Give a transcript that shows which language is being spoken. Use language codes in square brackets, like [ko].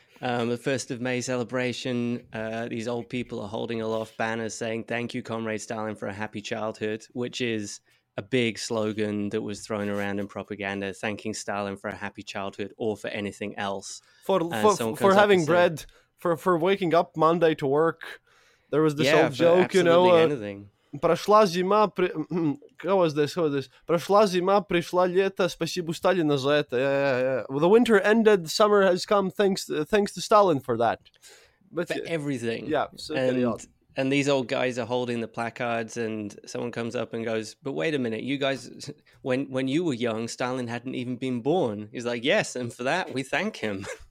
[en] The 1st of May celebration. These old people are holding aloft banners saying, thank you, Comrade Stalin, for a happy childhood, which is a big slogan that was thrown around in propaganda, thanking Stalin for a happy childhood or for anything else. For having bread, for waking up Monday to work. There was this yeah, old joke, you know. Anything. [ru] Прошла зима, [en] how was this? [ru] Прошла зима, пришла лето, спасибо Сталину за это. [en] The winter ended, summer has come, thanks to Stalin for that. But, for everything. Yeah, so and these old guys are holding the placards, and someone comes up and goes, but wait a minute, you guys, when you were young, Stalin hadn't even been born. He's like, yes, and for that, we thank him.